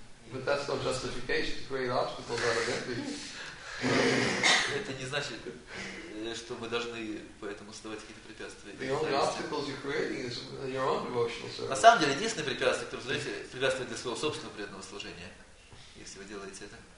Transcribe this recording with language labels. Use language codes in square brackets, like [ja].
[en] But that's no justification to create obstacles out of envy. [ru] Это не значит, что мы должны поэтому создавать какие-то препятствия. [en] The only obstacles you're creating is your own devotional service. [ru] На самом деле, единственное препятствие, которое вы создаете, препятствие для своего собственного преданного служения, если вы делаете это.